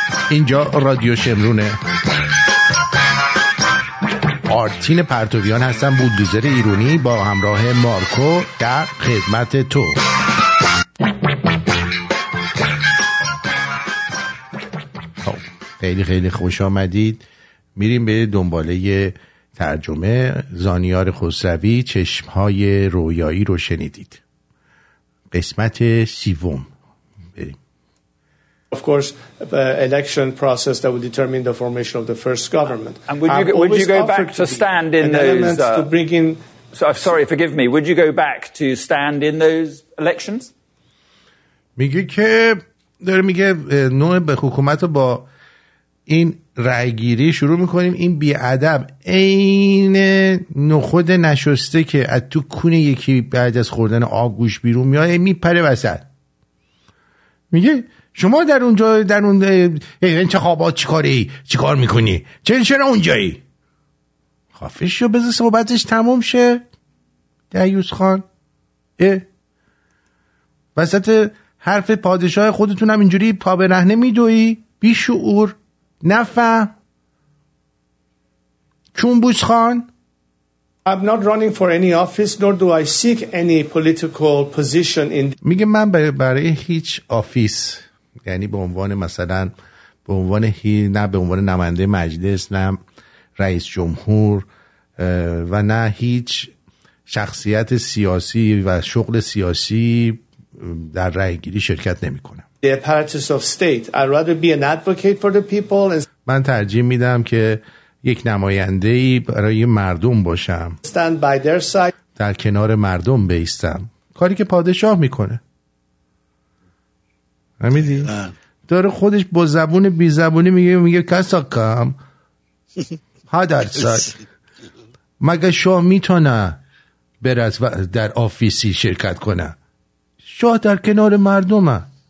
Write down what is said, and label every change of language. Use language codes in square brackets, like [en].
[fa] اینجا رادیو شمرونه آرتین پرتویان هستم بودگزر ایرانی با همراه مارکو در خدمت تو خب خیلی خیلی خوش آمدید میریم به دنباله ترجمه زانیار خسروی چشمهای رویایی رو شنیدید قسمت سیوم [en] Of course, the election process that will determine the formation of the first government. And would you go back to stand in those to bring in? So, sorry, forgive me. Would you go back to stand in those elections? [fa] میگه که داره میگه نوع به حکومت رو با این رأی‌گیری شروع میکنیم. این بیادب این نخود نشسته که از تو کونه یکی بعد از خوردن آب گوش بیرون میاد میپره وسط. میگه شما در اونجا در اون انتخابات چیکاری چیکار میکنی چرا اونجایی؟ خفش شو بذار صحبتش تموم شه دیوس خان. وسط حرف پادشاه خودتون هم اینجوری پا به رهنه میدوی بی شعور نفهم چونبوس خان. [en] I'm not running for any office nor do I seek any political position in. [fa] میگه من برای هیچ آفیس یعنی به عنوان مثلا به عنوان نه به عنوان نماینده مجلس نه رئیس جمهور و نه هیچ شخصیت سیاسی و شغل سیاسی در رأی گیری شرکت نمی کنم. [en] The apparatus of state. I'd rather be an advocate for the people. [fa] من ترجیح میدم که یک نماینده‌ای برای مردم باشم. [en] Stand by their side. [fa] در کنار مردم بیستم. کاری که پادشاه میکنه. همینی؟ داره خودش با زبون بی زبونی میگه کسا کم هادر ساید مگه شاه میتونه برد و در آفیسی شرکت کنه؟ شاه در کنار مردمه.